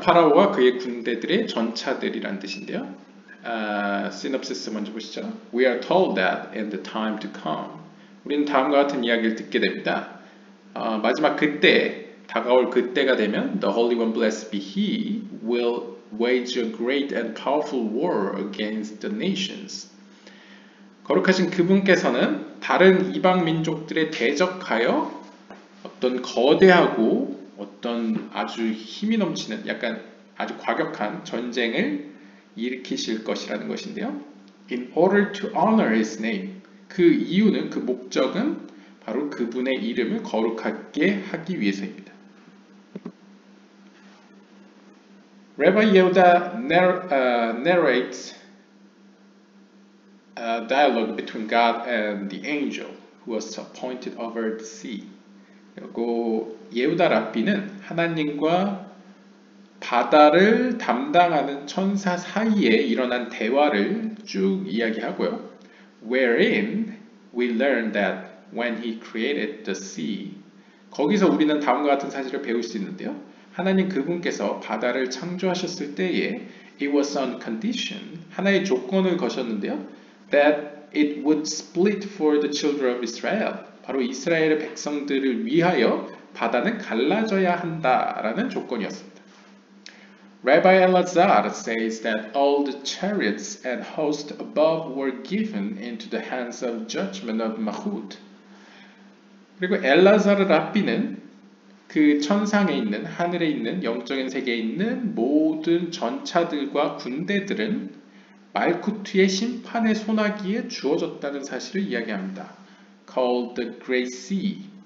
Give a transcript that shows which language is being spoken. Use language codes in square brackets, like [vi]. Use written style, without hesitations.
[ko] 파라오와 그의 군대들의 전차들이란 뜻인데요. Synopsis 먼저 보시죠. [en] We are told that in the time to come. [ko] 우리는 다음과 같은 이야기를 듣게 됩니다. 마지막 그때, 다가올 그때가 되면 [en] The Holy One, blessed be He, will wage a great and powerful war against the nations. [ko] 거룩하신 그분께서는 다른 이방 민족들에 대적하여 어떤 거대하고 어떤 아주 힘이 넘치는 약간 아주 과격한 전쟁을 일으키실 것이라는 것인데요. [en] In order to honor his name. [ko] 그 이유는, 그 목적은 바로 그분의 이름을 거룩하게 하기 위해서입니다. [en] Rabbi Yehuda narrates a dialogue between God and the angel who was appointed over the sea. [ko] 그리고 예후다 랍비는 하나님과 바다를 담당하는 천사 사이에 일어난 대화를 쭉 이야기하고요. [en] Wherein we learn that when he created the sea. [ko] 거기서 우리는 다음과 같은 사실을 배울 수 있는데요. 하나님 그분께서 바다를 창조하셨을 때에 [en] it was on condition, [ko] 하나의 조건을 거셨는데요. [en] that it would split for the children of Israel. [ko] 바로 이스라엘의 백성들을 위하여 바다는 갈라져야 한다라는 조건이었습니다. [en] Rabbi Elazar says that all the chariots and host above were given into the hands of judgment of Mahut. [ko] 그리고 엘라자르 랍비는 그 천상에 있는, 하늘에 있는, 영적인 세계에 있는 모든 전차들과 군대들은 말쿠트의 심판의 소나기에 주어졌다는 사실을 이야기합니다. [en] Called the Great Sea.